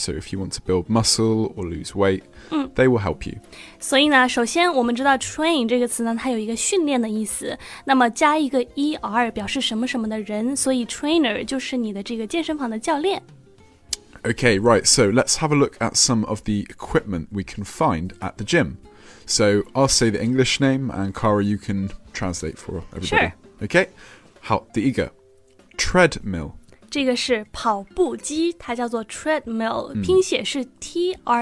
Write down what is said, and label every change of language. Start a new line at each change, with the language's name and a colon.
English: So if you want to build muscle or lose weight, they will help you.
Chinese: 所以呢，首先我们知道 train 这个词呢，它有一个训练的意思。那么加一个 E-R 表示什么什么的人，所以 trainer 就是你的这个健身房的教练。
English: Okay, right, so let's have a look at some of the equipment we can find at the gym. So I'll say the English name, and Cara, you can translate for everybody. Sure.
Chinese: Okay, 好，第一个 treadmill. 这个是跑步机，它叫做 treadmill,拼写是 T-R-E-A-D-M-I-L-L.